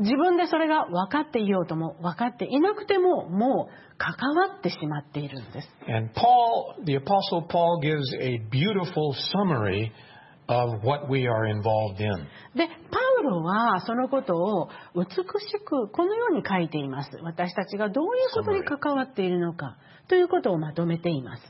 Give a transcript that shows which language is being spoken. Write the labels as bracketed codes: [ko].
[ja] 自分でそれが分かっていようとも分かっていなくても、もう関わってしまっているんです。 [en] And Paul, the Apostle Paul gives a beautiful summary of what we are involved in. [ja] で、パウロはそのことを美しくこのように書いています。私たちがどういうことに関わっているのかということをまとめています。